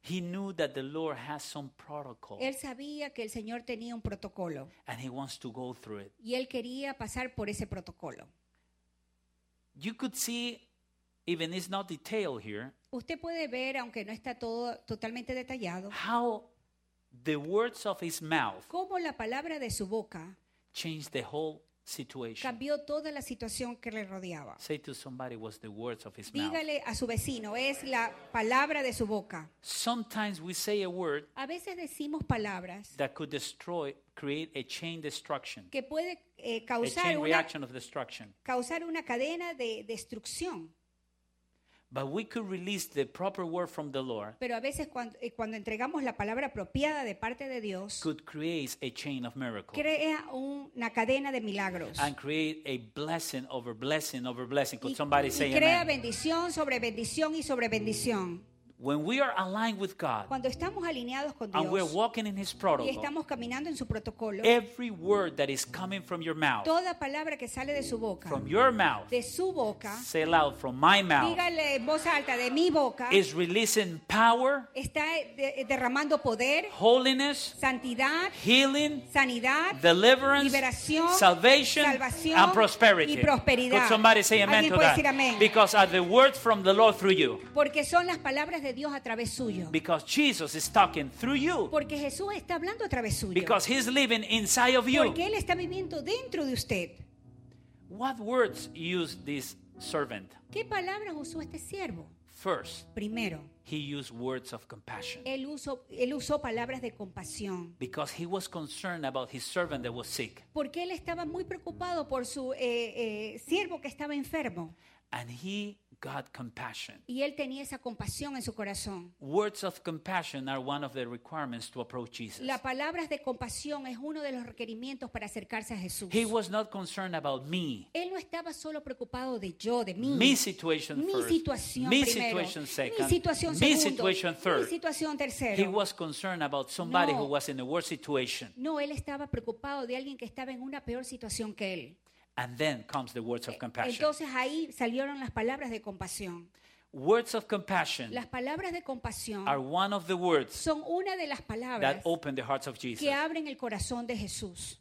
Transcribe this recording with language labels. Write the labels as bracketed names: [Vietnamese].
[English] He knew that the Lord has some protocol. [Spanish] Él sabía que el Señor tenía un protocolo. [English] And he wants to go through it. [Spanish] Y él quería pasar por ese protocolo. [English] You could see, even it's not detailed here. [Spanish] Usted puede ver, aunque no está todo totalmente detallado, [English] how the words of his mouth, [Spanish] cómo la palabra de su boca, [English] changed the whole situation, [Spanish] cambió toda la situación que le rodeaba. [English] Say to somebody, was the words of his mouth. [Spanish] Dígale a su vecino, es la palabra de su boca. [English] Sometimes we say a word, [Spanish] a veces decimos palabras, [English] that could destroy, create a chain destruction, [Spanish] que puede causar [English] a chain reaction of destruction, [Spanish] causar una cadena de destrucción. [English] But we could release the proper word from the Lord. [Spanish] Pero a veces cuando entregamos la palabra apropiada de parte de Dios, [English] could create a chain of miracles. [Spanish] Crea una cadena de milagros. [English] And create a blessing over blessing over blessing. Could somebody say amen? [Spanish] Y crea bendición sobre bendición y sobre bendición. [English] When we are aligned with God, [Spanish] cuando estamos alineados con Dios, [English] and we're walking in His protocol, [Spanish] y estamos caminando en su protocolo, [English] every word that is coming from your mouth, [Spanish] toda palabra que sale de su boca, [English] from your mouth, [Spanish] de su boca, [English] say aloud, from my mouth, [Spanish] dígale en voz alta, de mi boca, [English] is releasing power, [Spanish] está derramando poder, [English] holiness, [Spanish] santidad, [English] healing, [Spanish] sanidad, [English] deliverance, [Spanish] liberación, [English] salvation, [Spanish] salvación, [English] and prosperity, [Spanish] y prosperidad. [English] Could somebody say amen to that? [Spanish] Amén. [English] Because are the words from the Lord through you. [Spanish] Porque son las palabras de Dios a través suyo. [English] Because Jesus is talking through you. [Spanish] Porque Jesús está hablando a través suyo. [English] Because he's living inside of you. [Spanish] Porque él está viviendo dentro de usted. [English] What words used this servant? [Spanish] ¿Qué palabras usó este siervo? [English] First. [Spanish] Primero. [English] He used words of compassion. [Spanish] Él usó palabras de compasión. [English] Because he was concerned about his servant that was sick. [Spanish] Porque él estaba muy preocupado por su siervo que estaba enfermo. [English] And he God compassion. [Spanish] Y él tenía esa compasión en su corazón. [English] Words of compassion are one of the requirements to approach Jesus. [Spanish] Las palabras de compasión es uno de los requerimientos para acercarse a Jesús. [English] He was not concerned about me. [Spanish] Él no estaba solo preocupado de yo, de mí. [English] Me situation [Spanish] mi [English] first. [Spanish] Situación me primero. [English] Situation second. [Spanish] Mi situación me segundo. [English] Situation third. [Spanish] Mi situación tercero. [English] He was concerned about somebody who was in a worse situation. [Spanish] No, él estaba preocupado de alguien que estaba en una peor situación que él. [English] And then comes the words of compassion. [Spanish] Entonces ahí salieron las palabras de compasión. [English] Words of compassion. [Spanish] Las palabras de compasión [English] are one of the words [Spanish] son una de las palabras [English] that open the hearts of Jesus. [Spanish] Que abren el corazón de Jesús.